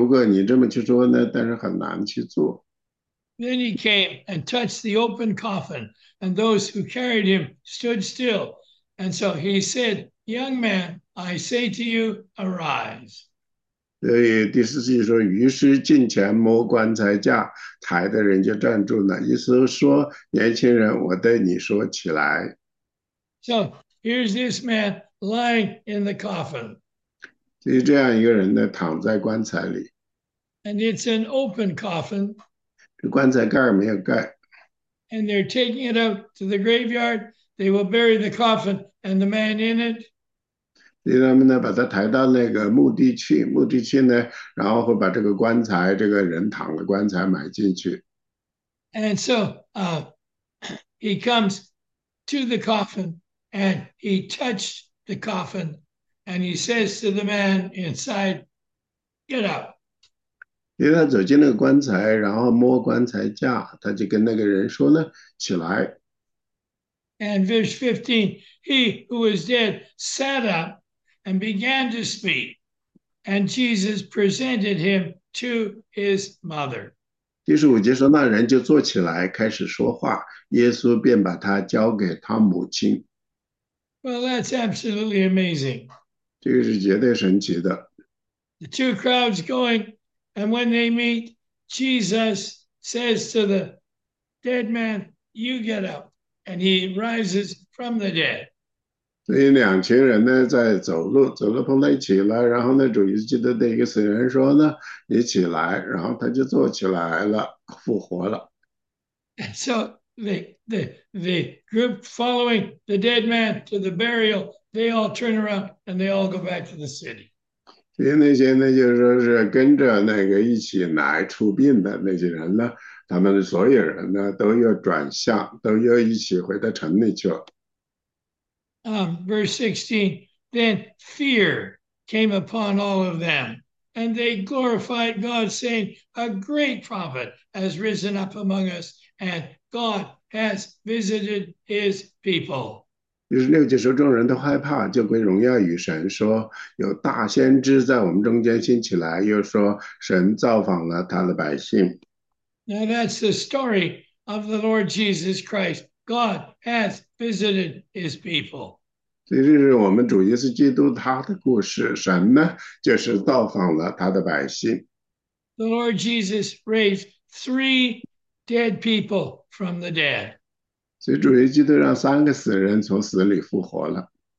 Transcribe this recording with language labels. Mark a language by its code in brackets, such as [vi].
[zh] 所以这个呢，就是非常容易去说，你去试试看。就是说，是如果你这么去说呢，但是很难去做。 [en] Then he came and touched the open coffin, and those who carried him stood still. And so he said, young man, I say to you, arise. [zh] 所以第14节说，于是近前摸棺材架，抬的人就站住了。意思是说，年轻人，我对你说，起来。 [en] So here's this man lying in the coffin. [zh] So这样一个人呢，躺在棺材里。 [en] And it's an open coffin. [zh] 这棺材盖没有盖。 [en] And they're taking it out to the graveyard. They will bury the coffin and the man in it. [zh] 所以他们呢，把他抬到那个墓地去，墓地去呢，然后会把这个棺材，这个人躺的棺材埋进去。 [en] And so he comes to the coffin and he touched the coffin and he says to the man inside, get up. [zh] 因为他走进那个棺材，然后摸棺材架，他就跟那个人说呢，起来。 [en] And verse 15, he who was dead sat up and began to speak, and Jesus presented him to his mother. [zh] 第15节说，那人就坐起来开始说话，耶稣便把他交给他母亲。 [en] Well, that's absolutely amazing. [zh] 这个是绝对神奇的。 [en] The two crowds going, and when they meet, Jesus says to the dead man, you get up. And he rises from the dead. [zh] 所以两群人呢在走路，走路碰到一起了，然后呢，主耶稣基督对一个死人说呢，你起来，然后他就坐起来了，复活了。 [en] And so the group following the dead man to the burial, they all turn around and they all go back to the city. [zh] 所以那些呢，就是说是跟着那个一起来出殡的那些人呢，他们所有人呢，都又转向，都又一起回到城里去了。 [en] Verse 16, then fear came upon all of them, and they glorified God, saying, A great prophet has risen up among us, and God has visited his people. [zh] 第16节说，众人都害怕，就归荣耀与神，说有大先知在我们中间兴起来，又说神造访了他的百姓。 [en] Now that's the story of the Lord Jesus Christ. God has visited his people. [zh] 所以这是我们主耶稣基督他的故事，神呢就是造访了他的百姓。 [en] The Lord Jesus raised three dead people from the dead. [zh] 所以主耶稣基督让3个死人从死里复活了。